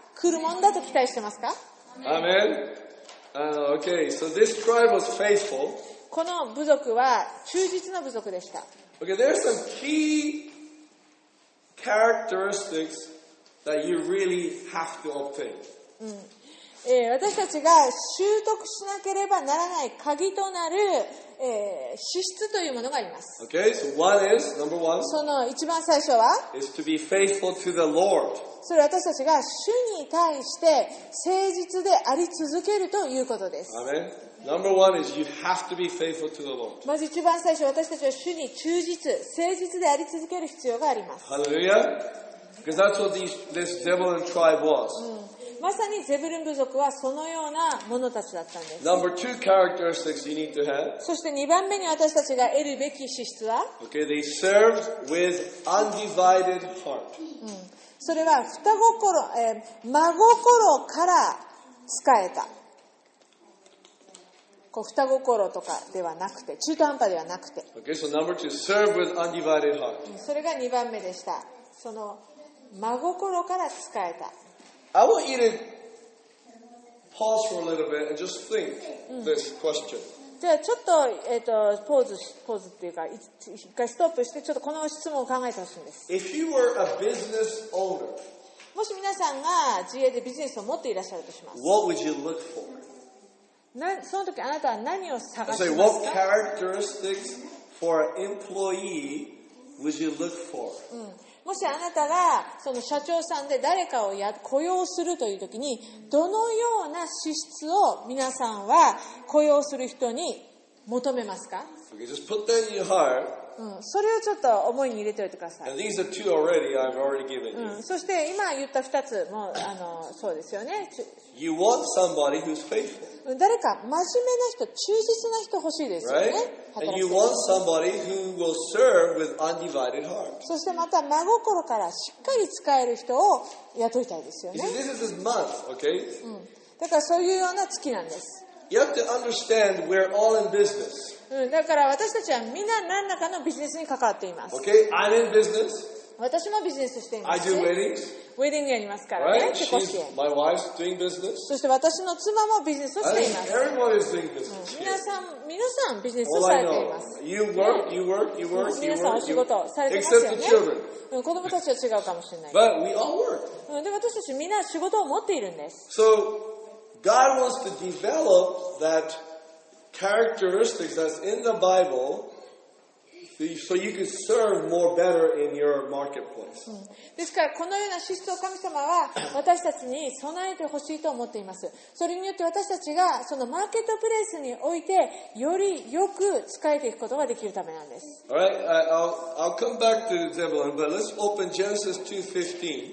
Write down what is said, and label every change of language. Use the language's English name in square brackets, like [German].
[Japanese] 来るもんだと期待してますか。 [English] Amen. Okay. So this tribe was faithful. [Japanese] この部族は忠実な部族でした。 [English] Okay. There are some key characteristics that you really have to obtain. [Japanese] うん。私たちが習得しなければならない鍵となる、資質というものがあります。 [English] Okay, so one is, number one, [Japanese] その一番最初は [English] is to be faithful to the Lord. [Japanese] それは私たちが主に対して誠実であり続けるということです。 [English] Amen. Number one is you have to be faithful to the Lord. [Japanese] まず一番最初私たちは主に忠実、誠実であり続ける必要があります。 [English] Hallelujah. Because that's what this Zebulun tribe was.、 [Japanese] うんまさにゼブルン部族はそのようなものたちだったんです。 [English] Number two characteristics you need to have. [Japanese] そして2番目に私たちが得るべき資質は [English] Okay, they served with undivided heart. [Japanese] それは真心から仕えた。こう双心とかではなくて、中途半端ではなくて。 [English] Okay, so number two, serve with undivided heart. [Japanese] それが2番目でした。その真心から仕えた。 [English] I want you to pause for a little bit and just think this question. [Japanese] じゃあちょっと、ポーズっていうか一回ストップしてちょっとこの質問を考えてほしいんです。 [English] If you were a business owner, [Japanese] もし皆さんが自営でビジネスを持っていらっしゃるとします。 [English] What would you look for? [Japanese] その時あなたは何を探しますか? [English] I say, what characteristics for an employee would you look for? [Japanese] もしあなたがその社長さんで誰かを雇用するというときに、どのような資質を皆さんは雇用する人に求めますか？ [English] Okay, just put that in your heart. [Japanese] それをちょっと思いに入れておいてください。 [English] And these are two already I've already given you. [Japanese] そして今言った2つもそうですよね。 [English] You want somebody who's faithful. [Japanese] 誰か真面目な人、忠実な人欲しいですよね。 [English] Right? And you want somebody who will serve with undivided heart. [Japanese] そしてまた真心からしっかり使える人を雇いたいですよね。 [English] This is his month, okay? [Japanese] だからそういうような月なんです。 [English] You have to understand we're all in business. [Japanese] だから私たちはみんな何らかのビジネスに関わっています。 [English] Okay, I'm in business. [Japanese] 私もビジネスしています。 [English] I do weddings. [Japanese] ウェディングやりますからね。 [English] Right? 結婚式。My wife's doing business. [Japanese] そして私の妻もビジネスをしています。 [English] Everyone is doing business. [Japanese] 皆さんビジネスをされています。 [English] You work, you work, you work, you work. [Japanese] 皆さんお仕事されてますよね。 [English] Except the children. [Japanese] 子供たちは違うかもしれない。 [English] But we all work. [Japanese] で私たちみんな仕事を持っているんです。 [English] So,God wants to develop that characteristics that's in the Bible so you can serve more better in your marketplace. [Japanese] ですからこのような資質を神様は私たちに備えてほしいと思っています。それによって私たちがそのマーケットプレイスにおいてよりよく使えていくことができるためなんです。 [English] All right, I'll come back to Zebulun, but let's open Genesis 2:15.